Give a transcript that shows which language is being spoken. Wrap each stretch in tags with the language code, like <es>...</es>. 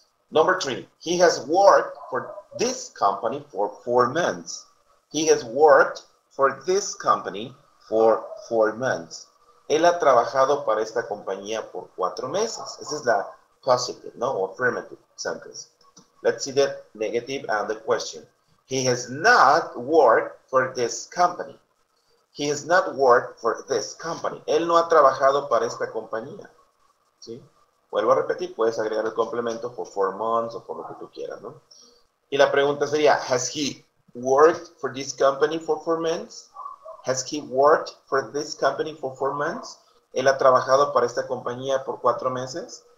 <en>Number three, he has worked for this company for 4 months. He has worked for this company for 4 months.</en> <es>Él ha trabajado para esta compañía por 4 meses.</es> <en>This is the positive, no, or affirmative sentence. Let's see the negative and the question. He has not worked for this company. He has not worked for this company.</en> <es>Él no ha trabajado para esta compañía. ¿Sí? Vuelvo a repetir, puedes agregar el complemento</es> <en>for 4 months</en> <es>o por lo que tú quieras, ¿no? Y la pregunta sería,</es> <en>has he worked for this company for 4 months? Has he worked for this company for 4 months?</en> <es>¿Él ha trabajado para esta compañía por 4 meses?</es>